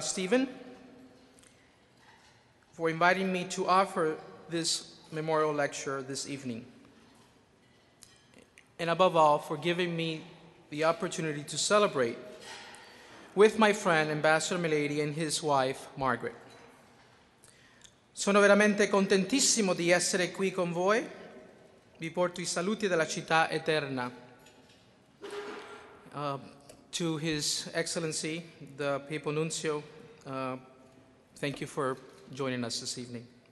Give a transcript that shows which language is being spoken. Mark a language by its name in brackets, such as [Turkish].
[English] Stephen for inviting me to offer this memorial lecture this evening, and above all, for giving me the opportunity to celebrate with my friend Ambassador Milady and his wife, Margaret. [Italian] Sono veramente contentissimo di essere qui con voi. Vi porto I saluti della città eterna. [English] To His Excellency, the Papal Nuncio, thank you for joining us this evening.